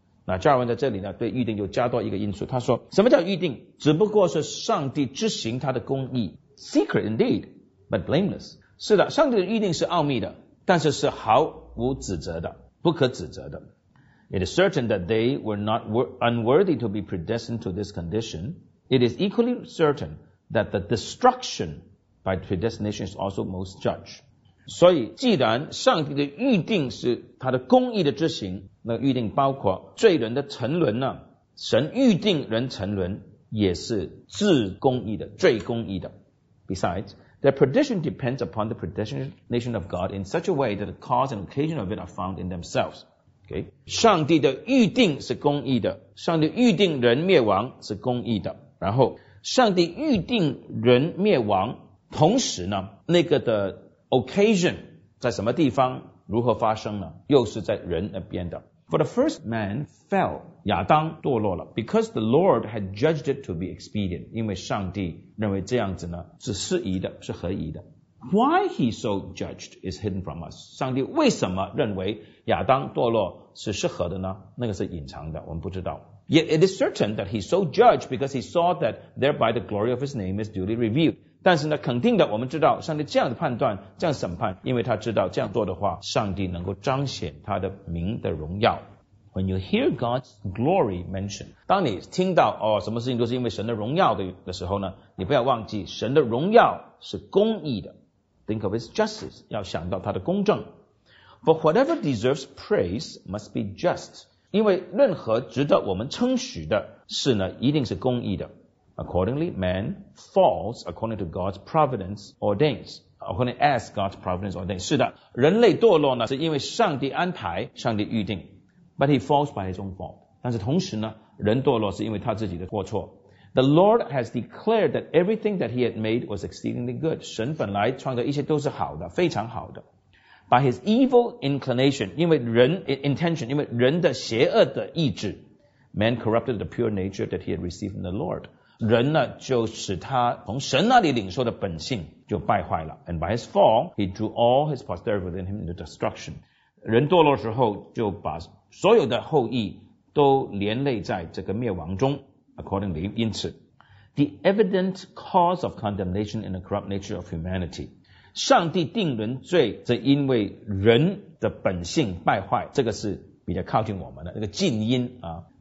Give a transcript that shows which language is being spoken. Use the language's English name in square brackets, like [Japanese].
[Chinese] 那加尔文在这里呢对预定就加多一个因素。他说什么叫预定？只不过是上帝执行他的公义。 [English] Secret indeed, but blameless. [Chinese] 是的，上帝的预定是奥秘的，但是是毫无指责的，不可指责的。 [English] It is certain that they were not unworthy to be predestined to this condition. It is equally certain that the destruction by predestination is also most judge. [Chinese] 所以，既然上帝的预定是他的公义的执行，那预定包括罪人的沉沦呢？神预定人沉沦也是至公义的，最公义的。 [English] Besides,Their prediction depends upon the predestination of God in such a way that the cause and occasion of it are found in themselves. Okay? [Chinese] 上帝的预定是公义的，上帝预定人灭亡是公义的。然后，上帝预定人灭亡，同时呢，那个的 occasion 在什么地方，如何发生呢？又是在人那边的。 [English] For the first man fell, [Chinese] 亚当堕落了 [English] because the Lord had judged it to be expedient, [Chinese] 因为上帝认为这样子呢是适宜的是合宜的。 [English] Why he so judged is hidden from us. [Chinese] 上帝为什么认为亚当堕落是适合的呢？那个是隐藏的，我们不知道。 [English] Yet it is certain that he so judged because he saw that thereby the glory of his name is duly revealed. [Chinese] 但是呢肯定的我们知道上帝这样的判断这样审判因为他知道这样做的话上帝能够彰显他的名的荣耀。 [English] When you hear God's glory mentioned, [Chinese] 当你听到哦什么事情都是因为神的荣耀 的时候呢你不要忘记神的荣耀是公义的。 [English] Think of his justice, [Chinese] 要想到他的公正。 [English] For whatever deserves praise must be just. [Chinese] 因为任何值得我们称许的事呢一定是公义的。 [English] Accordingly, man falls according to God's providence ordains. According as God's providence ordains. [Chinese] 是的人类堕落呢是因为上帝安排上帝预定。 [English] But he falls by his own fault. [Chinese] 但是同时呢人堕落是因为他自己的过错。 [English] The Lord has declared that everything that he had made was exceedingly good. [Chinese] 神本来创造一切都是好的非常好的。 [English] By his evil inclination, [Chinese] 因为人 [English] intention, [Chinese] 因为人的邪恶的意志 [English] man corrupted the pure nature that he had received from the Lord. [Chinese] 人呢就使他从神那里领受的本性就败坏了。 [English] And by his fall, he drew all his posterity within him into destruction. [Chinese] 人堕落的时候就把所有的后裔都连累在这个灭亡中。 [English] Accordingly, [Chinese] 因此 [English] the evident cause of condemnation in the corrupt nature of humanity, [Chinese] 上帝定人罪是因为人的本性败坏这个是比较靠近我们的那个近因啊。